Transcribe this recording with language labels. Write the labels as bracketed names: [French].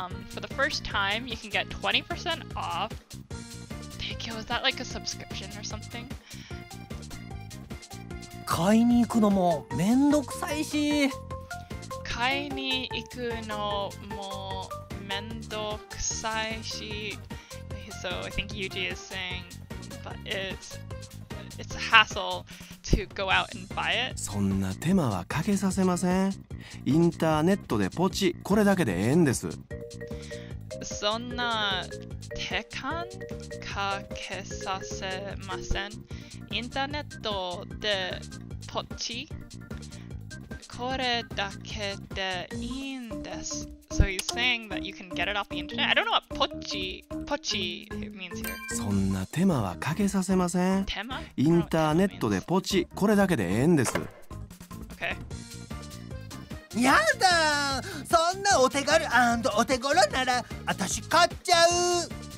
[English] For the first time, you can get 20% off. Teikyo, is that like a subscription or something? [Japanese] 買いに行くのもめんどくさいし。買いに行くのもめんどくさいし。 [English] So I think Yuji is saying, but it's a hassle. To go out and buy it. [Japanese] そんな手間はかけさせません。インターネットでポチ、これだけでええんです。そんな手間かけさせません。インターネットでポチ、これだけでいいんです。 [English] So he's saying that you can get it off the internet. I don't know what [Japanese] ポチ [English] means here. [Japanese] そんな手間はかけさせません。手間？インターネットでポチ、これだけでええんです。 [English] Okay. [Japanese] やだー！そんなお手軽&お手頃なら、私買っちゃう！